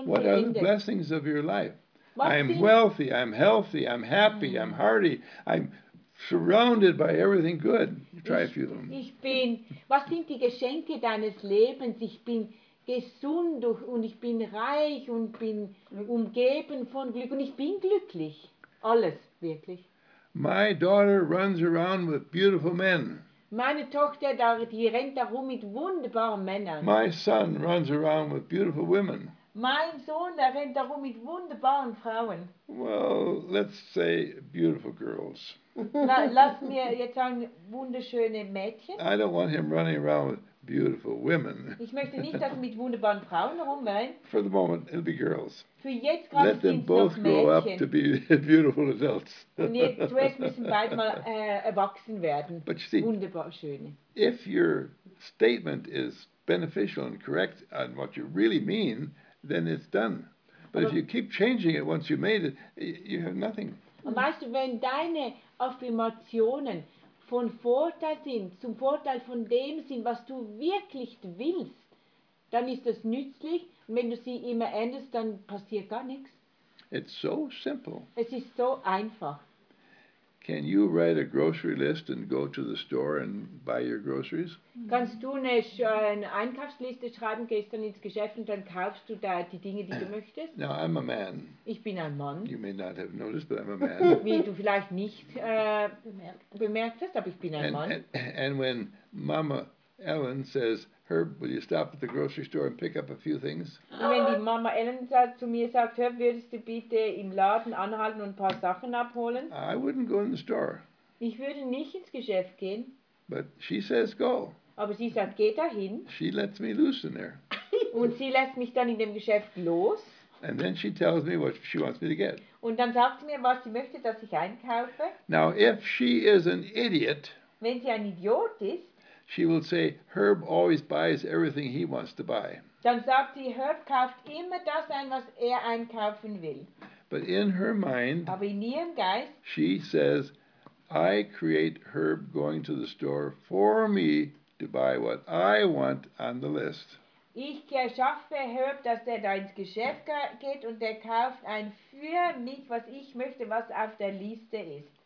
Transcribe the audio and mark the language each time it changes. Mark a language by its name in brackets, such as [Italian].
[English] what [German] beendet. [English] Are the blessings of your life? I'm wealthy, I'm healthy, I'm happy, I'm hearty, I'm surrounded by everything good. Try a few of them. [German] Was sind die Geschenke deines Lebens? Ich bin gesund und ich bin reich und bin umgeben von Glück und ich bin glücklich. Alles, wirklich. [English] My daughter runs around with beautiful men. [German] Meine Tochter, die rennt darum mit wunderbaren Männern. [English] My son runs around with beautiful women. [German] Mein Sohn, der rennt darum mit wunderbaren Frauen. [English] Well, let's say beautiful girls. [German] Lass mir jetzt sagen, wunderschöne Mädchen. [English] I don't want him running around with beautiful women. [German] Ich möchte nicht, dass er mit wunderbaren Frauen rumrennt. [English] For the moment, it'll be girls. [German] Für jetzt gerade [English] let them [German] sind's [English] both [German] noch Mädchen. [English] Grow up to be beautiful adults. [German] Und jetzt zuerst müssen beide mal erwachsen werden. [English] But you see, [German] wunderbar schöne. [English] If your statement is beneficial and correct on what you really mean, then it's done. But if you keep changing it once you made it, you have nothing. [German] Und weißt du, wenn deine Affirmationen von Vorteil sind, zum Vorteil von dem sind, was du wirklich willst, dann ist das nützlich. Und wenn du sie immer änderst, dann passiert gar nichts. [English] It's so simple. [German] Es ist so einfach. [English] Can you write a grocery list and go to the store and buy your groceries? [German] Kannst du eine Einkaufsliste schreiben, gehst dann ins Geschäft und dann kaufst du da die Dinge, die du möchtest? [English] Now, I'm a man. [German] Ich bin ein Mann. [English] You may not have noticed, but I'm a man. [German] Wie du vielleicht nicht bemerkt hast, aber ich bin ein Mann. [English] And when Mama Ellen says, Herb, will you stop at the grocery store and pick up a few things? [German] Wenn die Mama Ellen zu mir sagt, Herb, würdest du bitte im Laden anhalten und ein paar Sachen abholen? [English] I wouldn't go in the store. [German] Ich würde nicht ins Geschäft gehen. [English] But she says go. [German] Aber sie sagt, geh dahin. [English] She lets me loose in there. [German] Und sie lässt mich dann in dem Geschäft los. [English] And then she tells me what she wants me to get. [German] Und dann sagt sie mir, was sie möchte, dass ich einkaufe. [English] Now, if she is an idiot, [German] wenn sie ein Idiot ist, [English] she will say, Herb always buys everything he wants to buy. [German] Dann sagt sie, Herb kauft immer das ein, was einkaufen will. [English] But in her mind, [German] aber in ihrem Geist, [English] she says, I create Herb going to the store for me to buy what I want on the list. [German] Ich erschaffe Herb, dass der da ins Geschäft geht und der kauft ein für mich, was ich möchte, was auf der Liste ist.